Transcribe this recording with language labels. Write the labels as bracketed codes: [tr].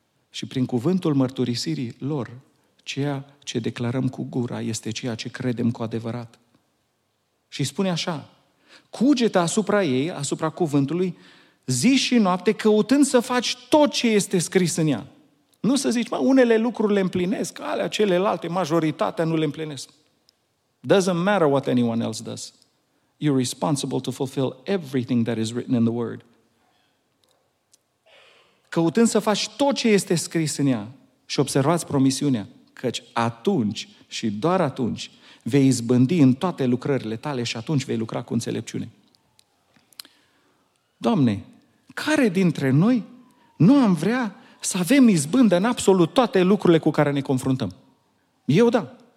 [ro] Și prin cuvântul mărturisirii lor, ceea ce declarăm cu gura este ceea ce credem cu adevărat. Și spune așa, cugetă asupra ei, asupra cuvântului, zi și noapte, căutând să faci tot ce este scris în ea. Nu să zici, unele lucruri le împlinesc, alea celelalte, majoritatea nu le împlinesc. [en] Doesn't matter what anyone else does. You're responsible to fulfill everything that is written in the Word. [ro] Căutând să faci tot ce este scris în ea și observați promisiunea, căci atunci și doar atunci vei izbândi în toate lucrările tale și atunci vei lucra cu înțelepciune. Doamne, care dintre noi nu am vrea să avem izbândă în absolut toate lucrurile cu care ne confruntăm? Eu da.